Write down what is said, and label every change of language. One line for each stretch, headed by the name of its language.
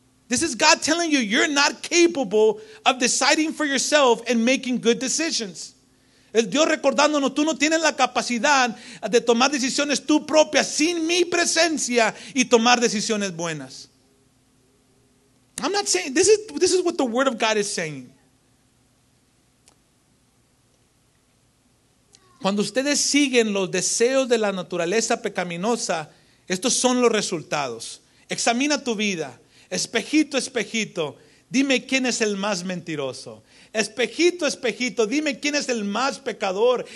English: This is God telling you, you're not capable of deciding for yourself and making good decisions.
Spanish: Es Dios recordándonos, tú no tienes la capacidad de tomar decisiones tú propias sin mi presencia y tomar decisiones buenas.
English: I'm not saying, this is what the word of God is saying.
Spanish: Cuando ustedes siguen los deseos de la naturaleza pecaminosa, estos son los resultados. Examina tu vida, espejito, espejito, dime quién es el más mentiroso. Espejito, espejito, dime quién es el más pecador.